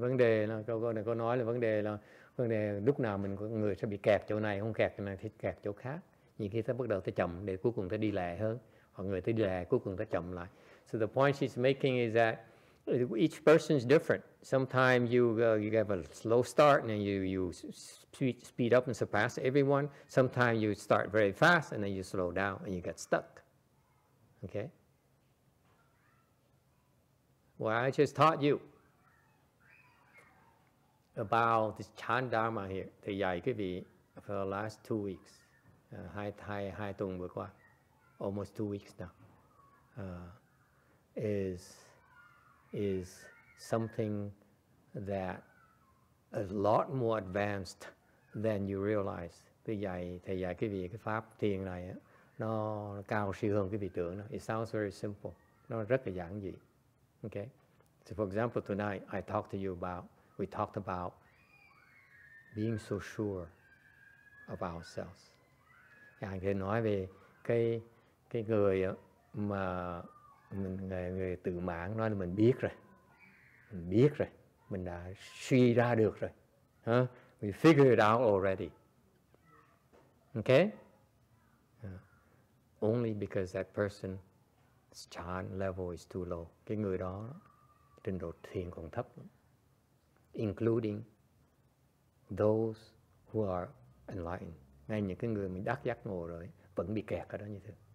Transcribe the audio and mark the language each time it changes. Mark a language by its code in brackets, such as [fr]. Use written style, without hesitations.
[vi] Vấn đề là câu này có nói là vấn đề lúc nào mình có người sẽ bị kẹt chỗ này, không kẹt chỗ này thì kẹt chỗ khác. Nhưng khi ta bắt đầu ta chậm để cuối cùng ta đi lẹ hơn. Hoặc người ta đi lẹ cuối cùng ta chậm lại. [en] So the point she's making is that each person is different. Sometimes you have a slow start and then you speed up and surpass everyone. Sometimes you start very fast and then you slow down and you get stuck. Okay. Well, I just taught you about this Chan Dharma here. [vi] Thầy dạy quý vị [en] for the last 2 weeks, [vi] hai tuần vừa qua, [en] almost 2 weeks now, is something that a lot more advanced than you realize. [vi] Thầy dạy quý vị cái pháp thiền này á. Nó cao siêu hơn cái vị tưởng đó. [en] It sounds very simple. [vi] Nó rất là giản dị. [en] Okay. So for example, tonight I talked to you about, we talked about being so sure of ourselves. [vi] Thầy nói về cái người mà mình người tự mãn nói là mình biết rồi. Mình biết rồi. Mình đã suy ra được rồi. Huh? [en] We figured out already. Okay? Only because that person's chan level is too low. [vi] Cái người đó, trình độ thiền còn thấp. [en] Including those who are enlightened. [vi] Ngay những cái người mình đắc giác ngộ rồi, vẫn bị kẹt ở đó như thế.